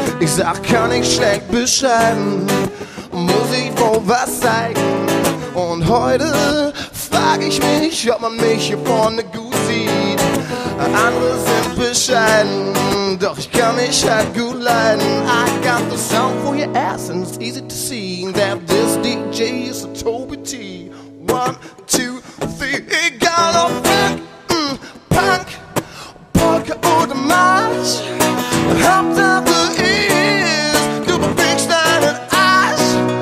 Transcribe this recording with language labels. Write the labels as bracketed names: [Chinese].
[German] Ich sag, kann ich schlecht beschreiben, muss ich wohl was zeigen. Und heute frag ich mich, ob man mich hier vorne gut sieht. Andere sind bescheiden, doch ich kann mich halt gut leiden. [English] I got the sound for your ass and it's easy to see that this DJ is a Toby T. One, two, three. [German] Egal ob Funk, Punk, Polka oder March, Hauptsache ist, du bringst deinen Arsch.